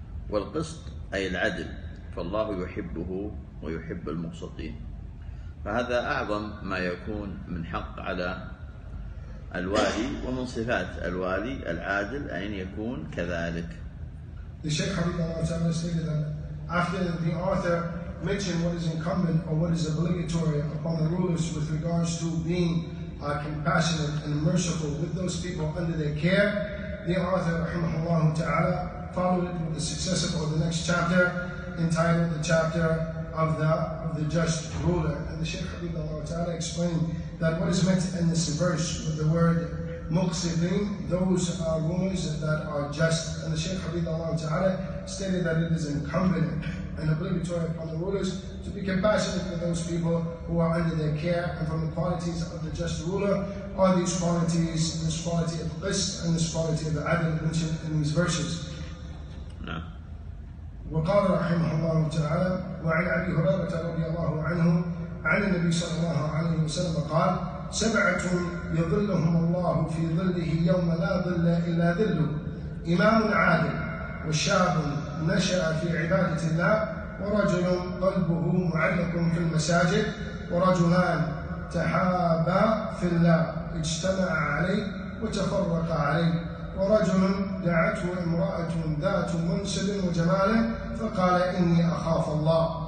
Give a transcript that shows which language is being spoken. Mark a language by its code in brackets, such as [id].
[ar] والقسط أي العدل، فالله يحبه ويحب المقسطين، فهذا أعظم ما يكون من حق على الوالي، ومن صفات الوالي العادل أن يكون كذلك. الشيخ حبيب الله تعالى [en] stated that after the author mentioned what is incumbent or what is obligatory upon the rulers with regards to being compassionate and merciful with those people under their care, the author rahimahullah ta'ala followed it with the successive or the next chapter entitled the chapter of the just ruler. And the Shaykh Habibullah ta'ala explained that what is meant in this verse with the word muqsitin, those are rulers that are just. And the Shaykh Habibullah ta'ala stated that it is incumbent and obligatory upon the rulers to be compassionate with those people who are under their care. And from the qualities of the just ruler are these qualities, this quality of qist and this quality of adl mentioned in these verses. [ar] وقال رحمه الله تعالى وعن أبي هريرة رضي الله عنه عن النبي صلى الله عليه وسلم قال: سبعة يظلهم الله في ظله يوم لا ظل إلا ظله: إمام عادل، وشاب نشأ في عبادة الله، ورجل قلبه معلق في المساجد، ورجلان تحابا في الله اجتمع عليه وتفرق عليه، ورجل دعته امرأة ذات منصب وجمال فقال إني أخاف الله،